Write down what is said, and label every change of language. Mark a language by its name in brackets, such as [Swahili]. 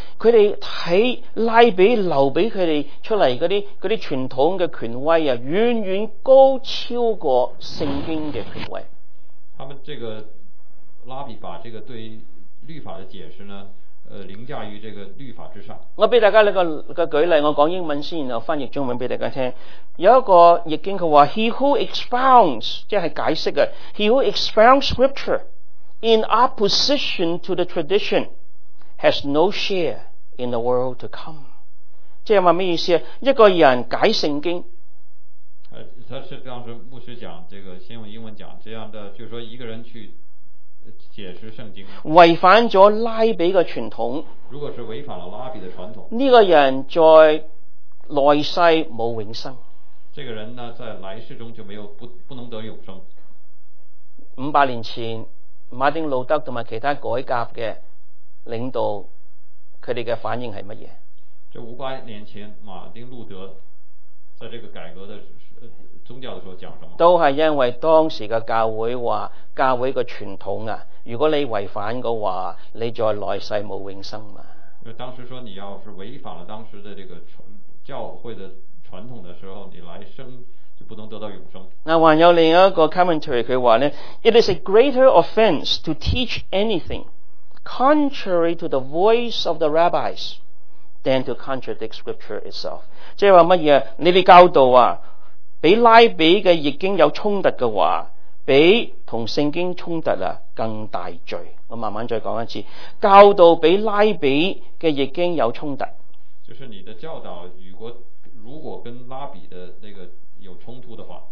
[Chinese] 他们看拉比留给他们出来的那些传统的权威啊，远远高超过圣经的权威。他们这个拉比把这个对律法的解释呢凌驾于这个律法之上。我给大家一个举例，我讲英文先，然后翻译中文给大家听。有一个译经他说 [English] He who expounds [Chinese] 即是解释的 [English] He who expounds scriptureIn opposition to the tradition, has no share in the world to come. [Chinese] 即是说什么意思？一个人解圣经，他是当时牧师讲这个，先用英文讲这样的，就是说一个人去解释圣经，违反了拉比的传统。如果是违反了拉比的传统，这个人在来世没有永生。这个人呢，在来世中就没有不能得永生。五百年前。马丁路德和其他改革的领导他们的反应是什么？这五百年前马丁路德在这个改革的宗教的时候讲什么？都是因为当时的教会说教会的传统、如果你违反的话你在来世没永生嘛。当时说你要是违反了当时的这个教会的传统的时候你来生就不能得到永生。那还有另一个 [English] commentary [Chinese] 他说呢 [English] It is a greater offense to teach anything contrary to the voice of the rabbis than to contradict scripture itself. [Chinese] 即是说什么？你们教导啊比拉比的译经有冲突的话比跟圣经冲突啊更大罪。我慢慢再讲一次，教导比拉比的译经有冲突，就是你的教导如果跟拉比的那个有冲突的话，